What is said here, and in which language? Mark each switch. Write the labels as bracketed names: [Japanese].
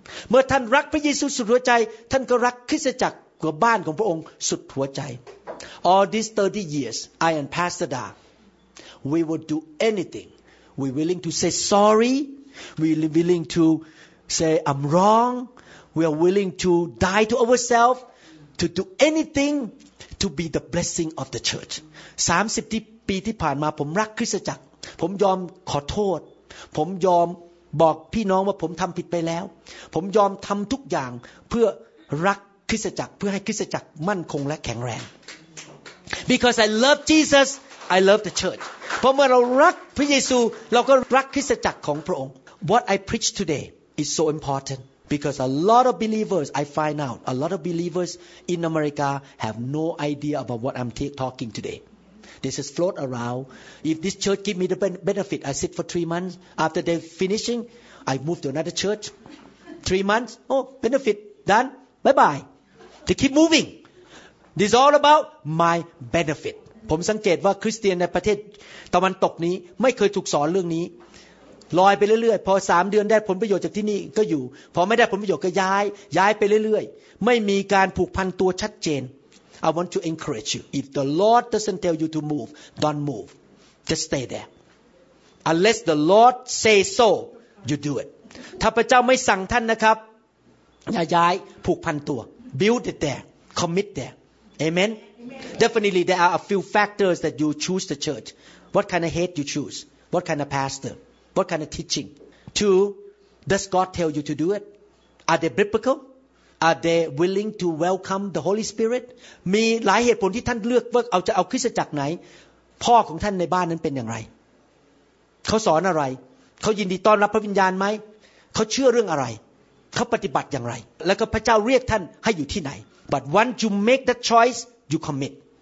[Thai] เมื่อท่านรักพระเยซูสุดหัวใจท่านก็รักคริสตจักรกับบ้านของพระองค์สุดหัวใจ [English] All these 30 years I and Pastor Da we would do anything we willing to say sorry we willing toSay I'm wrong. We are willing to die to ourselves, to do anything to be the blessing of the church. [Thai] 30 ปีที่ผ่านมาผมรักคริสตจักรผมยอมขอโทษผมยอมบอกพี่น้องว่าผมทำผิดไปแล้วผมยอมทำทุกอย่างเพื่อรักคริสตจักรเพื่อให้คริสตจักรมั่นคงและแข็งแรง [English] Because I love Jesus, I love the church. [Thai] เพราะเมื่อเรารักพระเยซูเราก็รักคริสตจักรของพระองค์ [English] What I preach today. It's so important because a lot of believers, I find out, a lot of believers in America have no idea about what I'm talking today. This is float around. If this church give me the benefit, I sit for 3 months. After they're finishing, I move to another church. 3 months, oh, benefit, done, bye-bye. They keep moving. This is all about my benefit. [Thai] ผมสังเกตว่าคริสเตียนในประเทศตะวันตกนี้ไม่เคยถูกสอนเรื่องนี้ลอยไปเรื่อยๆพอ3เดือนได้ผลประโยชน์จากที่นี่ก็อยู่พอไม่ได้ผลประโยชน์ก็ย้ายไปเรื่อยๆไม่มีการผูกพันตัวชัดเจน [English] I want to encourage you if the Lord doesn't tell you to move don't move just stay there unless the Lord say so you do it [Thai] ถ้าพระเจ้าไม่สั่งท่านนะครับอย่าย้ายผูกพันตัว [English] build it there commit there amen definitely there are a few factors that you choose the church what kind of head you choose what kind of pastorWhat kind of teaching? Two, does God tell you to do it? Are they biblical? Are they willing to welcome the Holy Spirit? [Thai] มีหลายเหตุผลที่ท่านเลือกว่าเอาจะเอาคริสตจักรไหนพ่อของท่านในบ้านนั้นเป็นอย่างไรเขาสอนอะไรเขายินดีต้อนรับพระวิญญาณไหมเขาเชื่อเรื่องอะไรเขาปฏิบัติอย่างไรแล้วก็พระเจ้าเรียกท่านให้อยู่ที่ไหน [English] But once you make that choice, you commit.